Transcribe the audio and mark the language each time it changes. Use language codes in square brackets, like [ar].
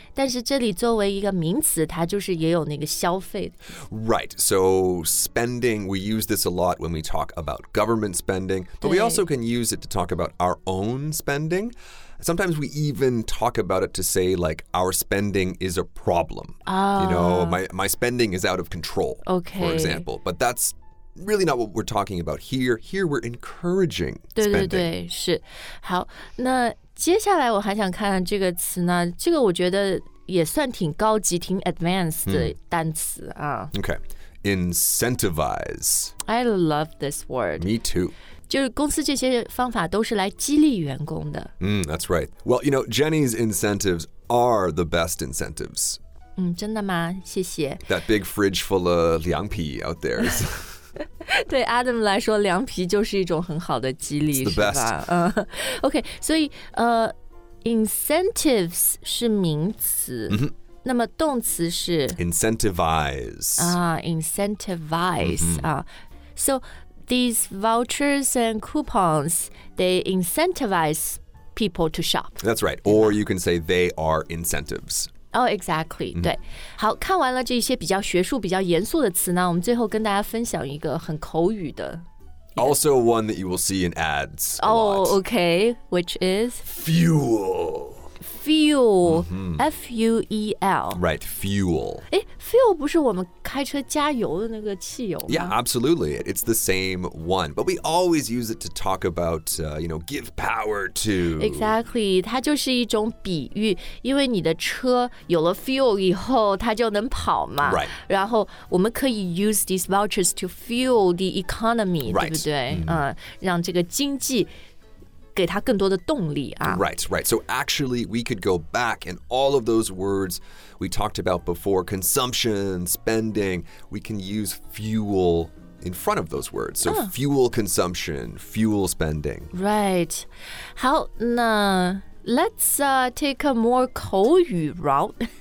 [zh] 但是这里作为一个名词它就是也有那个消费。 [en] Right. So spending, we use this a lot when we talk about government spending, but we also can use it to talk about our own spending. Sometimes we even talk about it to say like our spending is a problem.、 Ah. You know, my spending is out of control, okay. for example. But that's really not what we're talking about here. Here we're encouraging spending. [zh] 对对对，是。好，那接下来我还想看这个词呢，这个我觉得也算挺高级，挺 advanced 的单词啊。 [en] Okay, incentivize. I love this word. Me too. [zh] 就是公司这些方法都是来激励员工的。 [en] That's right. Well, you know, Jenny's incentives are the best incentives. [zh] 真的吗？谢谢。 [en] That big fridge full of 凉皮 out there. [zh] 对 Adam 来说，凉皮就是一种很好的激励，是吧？ OK, 所以incentives 是名词。那么动词是 [en] incentivize. Incentivize. So,These vouchers and coupons, they incentivize people to shop. That's right. Or you can say they are incentives. Oh, exactly. Mm-hmm. 对。 [zh] 好，看完了这些比较学术、比较严肃的词呢，我们最后跟大家分享一个很口语的。 [en] Also one that you will see in ads a lot. Oh, okay. Which is? Fuel. Fuel.、Mm-hmm. F-U-E-L. Right, fuel. [zh] Fuel 不是我们开车加油的那个汽油吗? [en] Yeah, absolutely. It's the same one. But we always use it to talk about, you know, give power to. Exactly. [zh] 它就是一种比喻。因为你的车有了 fuel 以后它就能跑嘛。 [en] Right. [zh] 然后我们可以 [en] use these vouchers to fuel the economy, right. [zh] 对不对? 让这个经济给它更多的动力啊。 [en] Right, right. So actually, we could go back and all of those words... We talked about before consumption, spending. We can use fuel in front of those words. So fuel consumption, fuel spending. Right. [zh] 好，那 [en] let's take a more 口语 route.